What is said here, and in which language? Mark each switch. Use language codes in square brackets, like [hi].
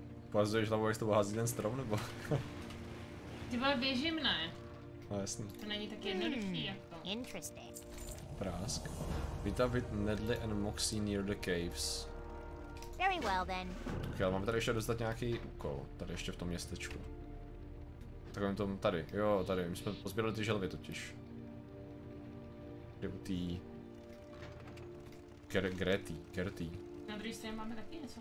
[cs] Pohazuješ hlavu, jak s tobou hází ten strom, nebo? Ty vole, běžím, ne? No jasný. To není tak jednoduchý, jako. Prásk. [en] Vita with Nedley and Moxie near the caves. Very well then. [cs] Okay, ale máme tady ještě dostat nějaký úkol, tady ještě v tom městečku. Takovým tom, tady, jo, tady, my jsme pozběrali ty želvy totiž. Kde u tý... Gertie. Na druhý straně máme taky něco